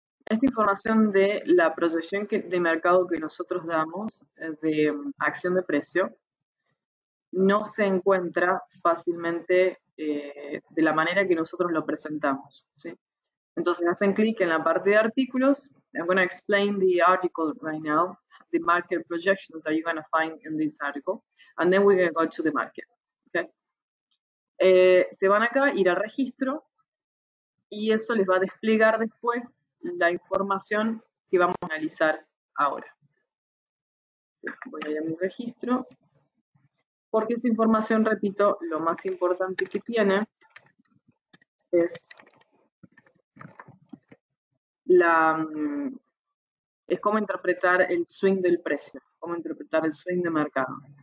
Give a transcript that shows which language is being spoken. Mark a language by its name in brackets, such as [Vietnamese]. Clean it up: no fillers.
[Spanish] Esta información de la proyección de mercado que nosotros damos de acción de precio no se encuentra fácilmente de la manera que nosotros lo presentamos, ¿sí? Entonces hacen clic en la parte de artículos. [English] I'm going to explain the article right now, the market projection that you're going to find in this article, and then we're going to go to the market. Okay? [Spanish] Se van acá, ir a registro, y eso les va a desplegar después la información que vamos a analizar ahora. ¿Sí? Voy a ir a mi registro, porque esa información, repito, lo más importante que tiene es es cómo interpretar el swing del precio, cómo interpretar el swing de mercado.